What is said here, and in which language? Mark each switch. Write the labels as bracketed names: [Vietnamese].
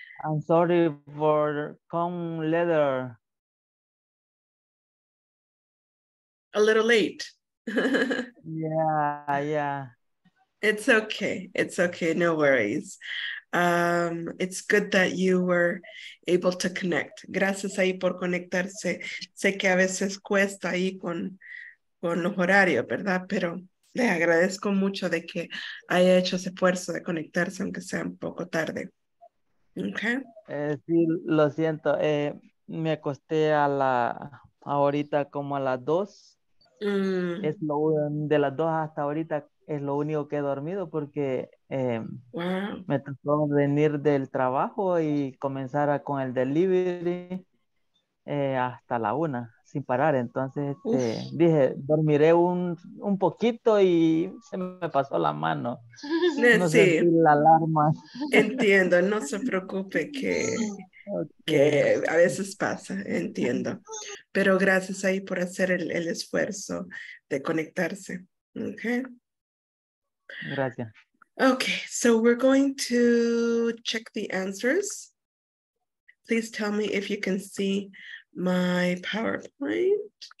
[English] I'm sorry for come later. A little late. yeah. It's okay, no worries. It's good that you were able to connect. [Spanish] Gracias ahí por conectarse. Sé que a veces cuesta ahí con los horarios, ¿verdad? Pero le agradezco mucho de que haya hecho ese esfuerzo de conectarse, aunque sea un poco tarde. [English] Okay. [Spanish] Sí, lo siento. Me acosté ahorita como a las 2. Es lo de las dos hasta ahorita es lo único que he dormido porque me tocó venir del trabajo y comenzar con el delivery hasta la 1 sin parar, entonces dije dormiré un poquito y se me pasó la mano. No sí. Sentí la alarma. Entiendo, no se preocupe que okay. Que a veces pasa, entiendo. Pero gracias ahí por hacer el esfuerzo de conectarse. [English] Okay. [Spanish] Gracias. [English] Okay, so we're going to check the answers. Please tell me if you can see my PowerPoint.